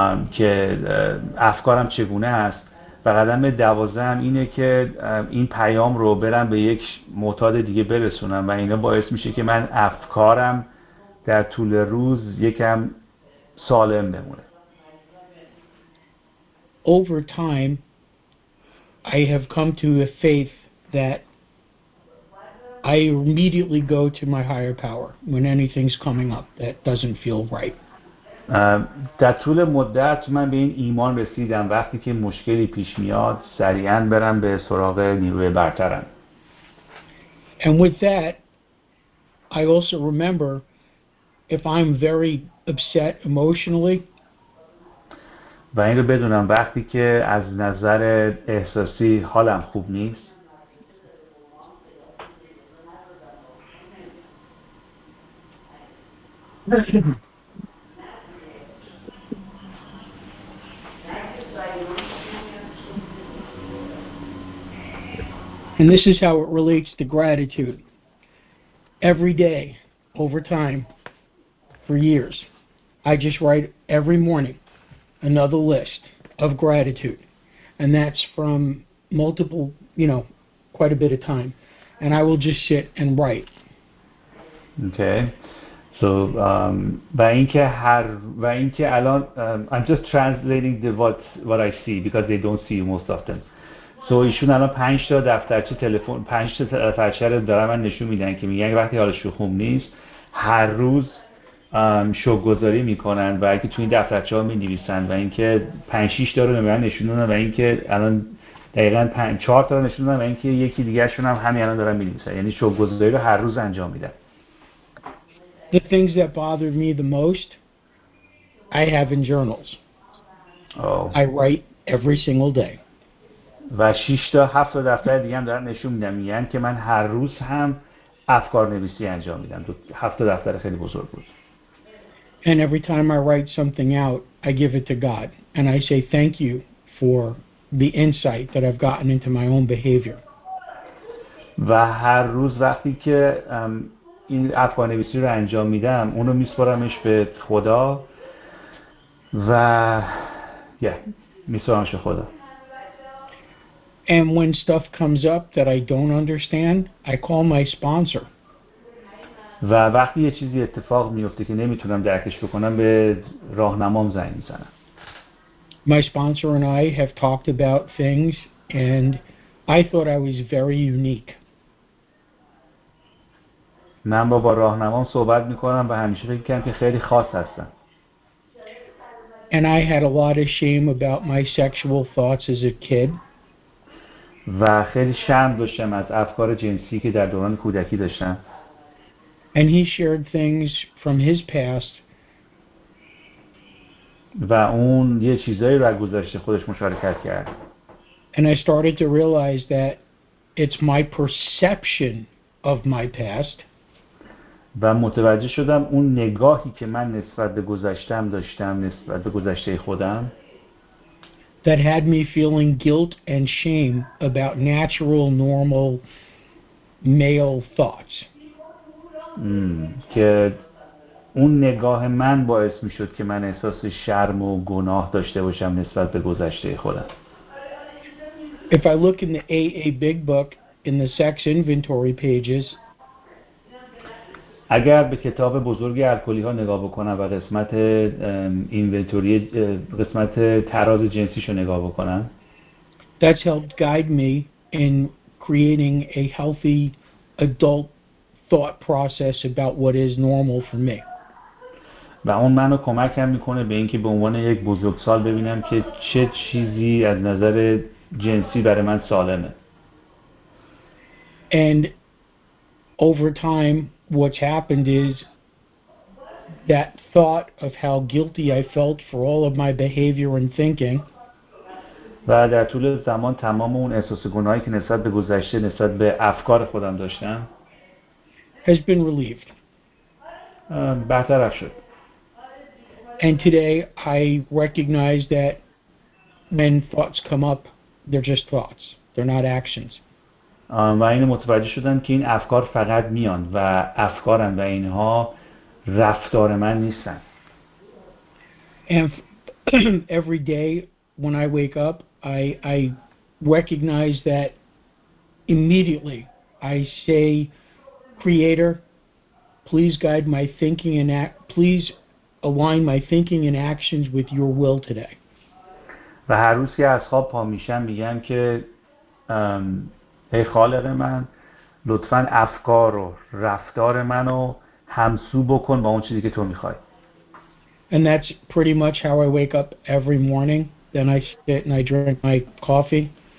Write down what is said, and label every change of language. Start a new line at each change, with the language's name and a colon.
Persian: که افکارم چگونه است و قدم 12 هم اینه که این پیام رو برم به یک معتاد دیگه برسونم و اینا باعث میشه که من افکارم در طول روز یکم سالم بمونه.
English: Over time, I have come to a faith that I immediately go to my higher power when anything's coming up that doesn't feel right.
Persian: در طول مدت من به این ایمان رسیدم وقتی که مشکلی پیش میاد سریعاً برم به سراغ نیروی برترم.
English: And with that, I also remember if I'm very upset emotionally,
Persian: و این رو بدونم وقتی که از نظر احساسی حالم خوب نیست.
English: And this is how it relates to gratitude. Every day, over time, for years, I just write every morning another list of gratitude, and that's from multiple, you know, quite a bit of time, and I will just sit and write. Okay, so I'm just translating what I see because they don't see you most often.
Persian: So ایشون الان 5 تا دفترچه تلفن 5 تا دفترچه رو دارن من نشون میدن که میگن وقتی حالش خوب نیست هر روز شوگذاری میکنن و اینکه تو این دفترچه ها مینویسن و اینکه 5 6 تا رو نمیدونم نشون دادن و اینکه الان دقیقاً 5 4 تا رو نشون دادن و اینکه یکی دیگه شون هم همین الان دارن مینویسن، یعنی شوگذاری رو هر روز انجام میدن.
English: The things that bother me the most I have in journals. Oh. I write every single day.
Persian: و 6 تا 7 تا دفتر دیگه هم دارن نشون میدن میگن که من هر روز هم افکار نویسی انجام میدم. 7 تا دفتر خیلی بزرگ بود.
English: And every time I write something out, I give it to God. And I say thank you for the insight that I've gotten into my own behavior.
Persian: و هر روز وقتی که این افغانویسی رو انجام میدم اونو میسپارمش به خدا و میسپارمش به خدا.
English: And when stuff comes up that I don't understand, I call my sponsor.
Persian: و وقتی یه چیزی اتفاق میفته که نمیتونم درکش بکنم به راهنمام زنگ میزنم.
English: My sponsor and I have talked about things and I thought I was very unique.
Persian: من با راهنمام صحبت میکنم و همیشه فکر میکنم که خیلی خاص هستم.
English: And I had a lot of shame about my sexual thoughts as a kid.
Persian: و خیلی شرم داشتم از افکار جنسی که در دوران کودکی داشتم.
English: And he shared things from his past.
Persian: و اون یه چیزایی رو از گذشته خودش مشارکت کرد.
English: And I started to realize that it's my perception of my past.
Persian: و متوجه شدم اون نگاهی که من نسبت به گذشتم داشتم نسبت به گذشته خودم
English: that had me feeling guilt and shame about natural normal male thoughts.
Persian: که اون نگاه من باعث میشد که من احساس شرم و گناه داشته باشم نسبت به گذشته خودم.
English: If I look in the AA big book in the sex inventory pages,
Persian: اگر به کتاب بزرگ الکلی ها نگاه بکنم و قسمت اینونتوری قسمت تراز جنسیشو نگاه بکنم
English: that helped guide me in creating a healthy adult thought process about what is normal for me.
Persian: و اون منو کمک هم میکنه به اینکه به عنوان یک بزرگسال ببینم که چه چیزی از نظر جنسی برای من سالمه.
English: And over time what's happened is that thought of how guilty I felt for all of my behavior and thinking
Persian: و در طول زمان تمام اون احساس گناهی که نسبت به گذشته نسبت به افکار خودم داشتم
English: has been relieved
Persian: بهتره شد.
English: And today I recognize that when thoughts come up they're just thoughts, they're not actions.
Persian: و این متوجه شدم که این افکار فقط میان و افکارم و اینها رفتار من نیستن.
English: Every day when I wake up, I recognize that immediately I say, Creator, please guide my thinking and please align my thinking and actions with your will today.
Persian: و هر روز که از خواب پا میشم میگم که ای خالق من لطفاً افکار و رفتار منو همسو بکن با اون چیزی که تو میخوای.
English: And that's pretty much how I wake up every morning. Then I sit and I drink my coffee.